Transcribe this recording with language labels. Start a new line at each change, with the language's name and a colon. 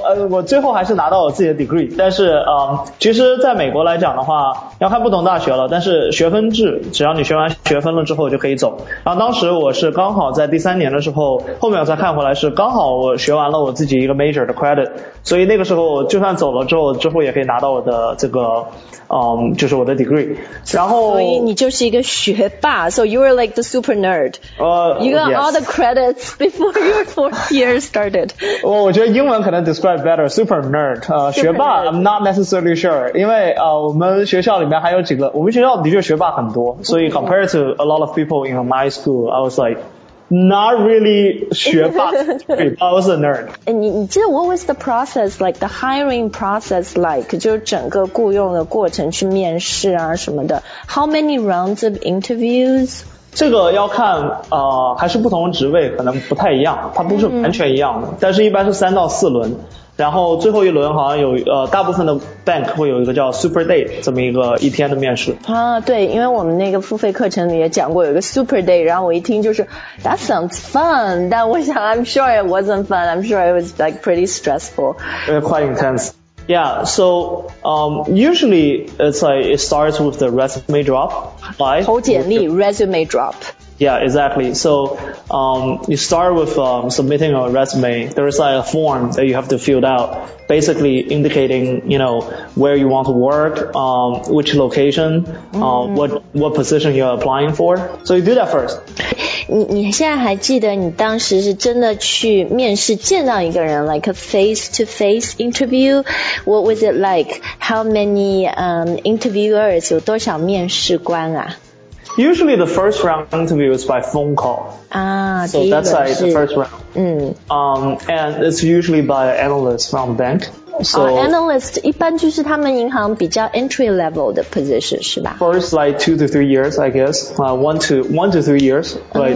Chinese: 我最后还是拿到我自己的 degree, 但是其实在美国来讲的话要看不同大学了，但是学分制只要你学完学分了之后就可以走。然后当时我是刚好在第三年的时候，后面我再看回来是刚好我学完了我自己一个 major 的 credit, 所以那个时候就算走了之后也可以拿到我的这个就是我的 degree。然后所以你就是一个学霸，
English: so you were like the super nerd. You got all the credits beforefourth year started.
Chinese: 我觉得英文可能
English: describe better, super nerd, 学霸 I'm not necessarily sure,
Chinese: 因为我们学校里面还有几个，我们学校的确学霸很多，所以
English: compared to a lot of people in my school, I was like, not really 学霸I was a nerd. 你记得 what was the process like, the hiring process like,
Chinese: 就是整个雇佣的过程去面试啊什么的，
English: how many rounds of interviews?
Chinese: 这个要看还是不同职位可能不太一样，它不是完全一样的，但是一般是三到四轮，然后最后一轮好像有大部分的 bank 会有一个叫 super day 这么一个一天的面试。啊，对，因为我们那个付费课程里也讲过有一个
English: super day,
Chinese: 然后我一听就是
English: that sounds fun,
Chinese: 但我想
English: I'm sure it wasn't fun, I'm sure it was like pretty stressful. Quite intense. Yeah, so, usually, it's like, it starts with the resume drop.
Chinese: 投简历 resume drop.
English: Yeah, exactly. So you start with submitting a resume. There is like a form that you have to fill out, basically indicating, you know, where you want to work, which location, what position you're applying for. So you do that first.
Chinese: 你现在还记得你当时是真的去面试见到一个人
English: like a face-to-face interview? What was it like? How many interviewers,
Chinese: 有多少面试官啊？
English: Usually the first round interview is by phone call. So that's like the first round. And it's usually by an analyst from the bank. So
Chinese: analyst 一般就是他们银行比较
English: entry level
Chinese: 的 position 是吧
English: First like 2 to 3 years I guess 1 to 3 years right?